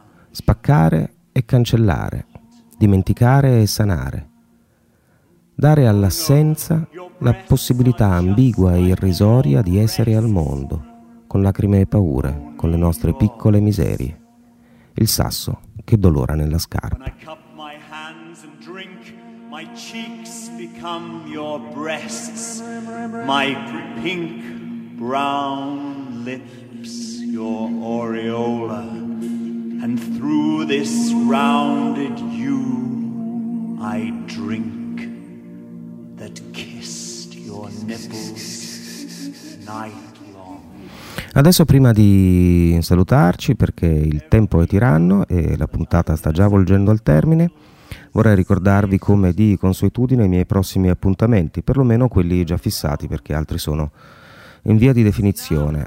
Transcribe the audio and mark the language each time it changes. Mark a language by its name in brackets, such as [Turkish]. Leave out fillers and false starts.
[Italian] Spaccare e cancellare, dimenticare e sanare. Dare all'assenza la possibilità ambigua e irrisoria di essere al mondo, con lacrime e paure, con le nostre piccole miserie, il sasso che dolora nella scarpa. [English] When I cup my hands and drink, my cheeks become your breasts, my pink brown lips your aureola, and through this rounded you I drink that kissed your nipples night. [Italian] Adesso, prima di salutarci, perché il tempo è tiranno e la puntata sta già volgendo al termine, vorrei ricordarvi come di consuetudine i miei prossimi appuntamenti, perlomeno quelli già fissati, perché altri sono in via di definizione.